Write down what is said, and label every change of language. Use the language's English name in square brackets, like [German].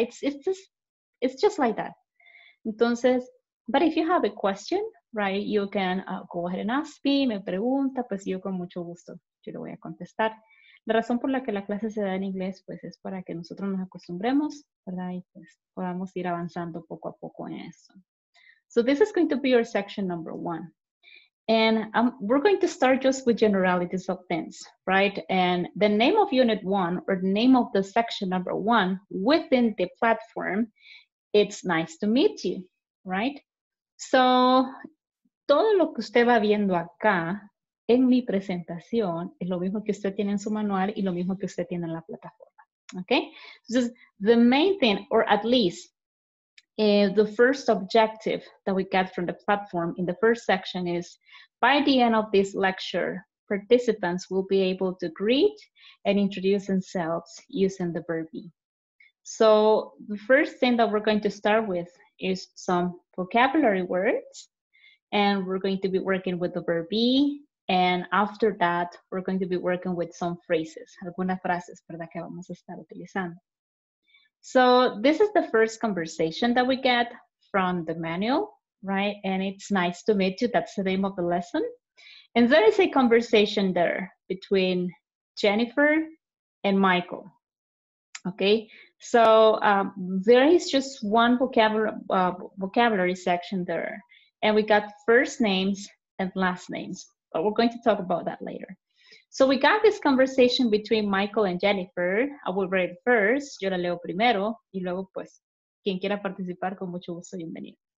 [English] It's just like that. Entonces, but if you have a question, right, you can go ahead and ask me, [Spanish] me pregunta, pues yo con mucho gusto, yo le voy a contestar. La razón por la que la clase se da en inglés, pues es para que nosotros nos acostumbremos, ¿verdad? Y pues podamos ir avanzando poco a poco en eso. [English] So this is going to be your section number one. And we're going to start just with generalities of things, right? And the name of unit one, or the name of the section number one within the platform, it's nice to meet you, right? [Spanish] So, todo lo que usted va viendo acá en mi presentación es lo mismo que usted tiene en su manual y lo mismo que usted tiene en la plataforma, okay? [English] So, the main thing, or at least, the first objective that we get from the platform in the first section is, by the end of this lecture, participants will be able to greet and introduce themselves using the verb be. So, the first thing that we're going to start with is some vocabulary words, and we're going to be working with the verb be, and after that, we're going to be working with some phrases, [Spanish] algunas frases, ¿verdad?, que vamos a estar utilizando. [English] So, this is the first conversation that we get from the manual, right, and it's nice to meet you, that's the name of the lesson. And there is a conversation there between Jennifer and Michael, okay? So there is just one vocabulary section there, and we got first names and last names, but we're going to talk about that later. So we got this conversation between Michael and Jennifer. I will read first, [Spanish] yo la leo primero, y luego pues, quien quiera participar, con mucho gusto, bienvenido.